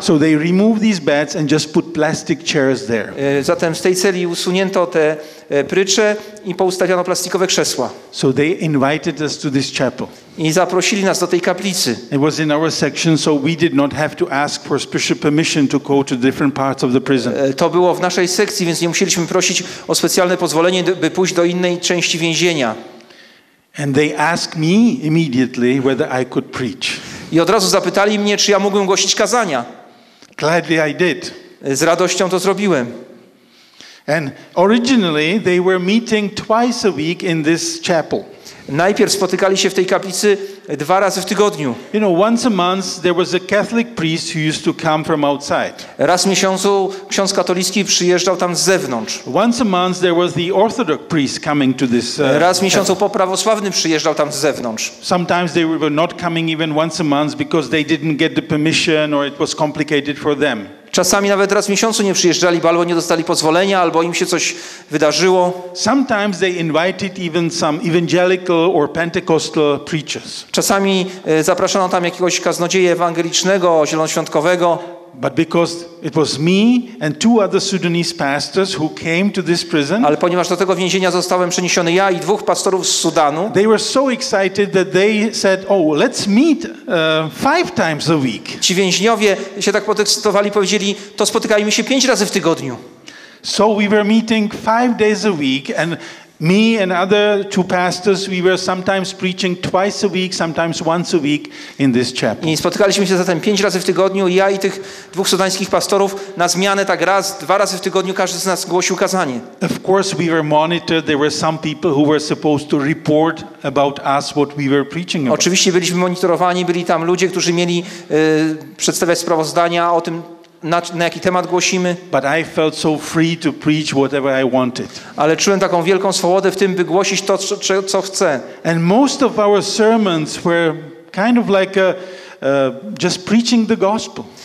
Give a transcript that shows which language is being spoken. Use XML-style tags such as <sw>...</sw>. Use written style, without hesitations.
<en>So they removed these beds and just put plastic chairs there.</en> <pl>Zatem z tej celi usunięto te prycze i poustawiano plastikowe krzesła.</pl> <en>So they invited us to this chapel.</en> <pl>I zaprosili nas do tej kaplicy.</pl> <en>It was in our section, so we did not have to ask for special permission to go to different parts of the prison.</en> <pl>To było w naszej sekcji, więc nie musieliśmy prosić o specjalne pozwolenie, by pójść do innej części więzienia.</pl> <en>And they asked me immediately whether I could preach.</en> <pl>I od razu zapytali mnie, czy ja mogłem głosić kazania.</pl> <en>Gladly I did.</en> <pl>Z radością to zrobiłem.</pl> <en>And originally they were meeting twice a week in this chapel.</en> <pl>Najpierw spotykali się w tej kaplicy 2 razy w tygodniu.</pl> <en>You know, once a month there was a Catholic priest who used to come from outside.</en> <pl>Raz w miesiącu ksiądz katolicki przyjeżdżał tam z zewnątrz.</pl> <en>Once a month there was the Orthodox priest coming to this.</en> <pl>Raz w miesiącu poprawosławny przyjeżdżał tam z zewnątrz.</pl> <en>Sometimes they were not coming even once a month because they didn't get the permission or it was complicated for them.</en> <pl>Czasami nawet raz w miesiącu nie przyjeżdżali, bo albo nie dostali pozwolenia, albo im się coś wydarzyło.</pl> <en>Sometimes they invited even some evangelical or Pentecostal preachers.</en> <pl>Czasami zapraszano tam jakiegoś kaznodzieję ewangelicznego, zielonoświątkowego.</pl> <en>But because it was me and 2 other Sudanese pastors who came to this prison.</en> <pl>Ale ponieważ do tego więzienia zostałem przeniesiony ja i 2 pastorów z Sudanu.</pl> <en>They were so excited that they said, "Oh, let's meet 5 times a week."</en> <pl>Ci więźniowie się tak podekscytowali, powiedzieli, to spotykajmy się 5 razy w tygodniu.</pl> <en>So we were meeting 5 days a week and Me and other two pastors, we were sometimes preaching twice a week, sometimes once a week in this chapel.</en> <pl>I spotykaliśmy się zatem 5 razy w tygodniu, ja i tych dwóch sudańskich pastorów, na zmianę tak raz, 2 razy w tygodniu każdy z nas głosił kazanie.</pl> <en>Of course we were monitored, there were some people who were supposed to report about us what we were preaching about.</en> <pl>Oczywiście byliśmy monitorowani, byli tam ludzie, którzy mieli przedstawiać sprawozdania o tym, na jaki temat głosimy.</pl> <en>But I felt so free to preach whatever I wanted.</en> <pl>Ale czułem taką wielką swobodę w tym, by głosić to, co chcę.</pl> <en>And most of our sermons were kind of like just preaching the gospel.</en>